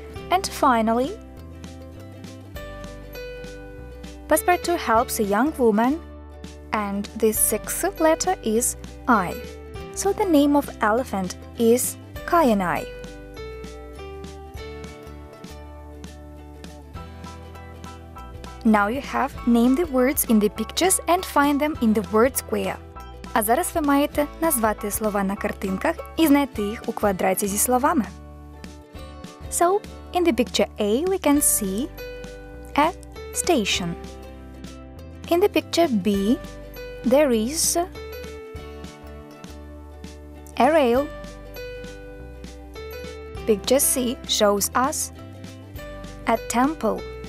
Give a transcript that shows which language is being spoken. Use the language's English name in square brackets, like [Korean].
[English] And finally, Passepartout helps a young woman, and the sixth letter is I. So the name of elephant is Kayanai. Now you have named the words in the pictures and find them in the word square. [Ukrainian] А зараз ви маєте назвати слова на картинках і знайти їх у квадраті зі словами. [English] So, in the picture A we can see a station. In the picture B there is a rail. Picture C shows us a temple.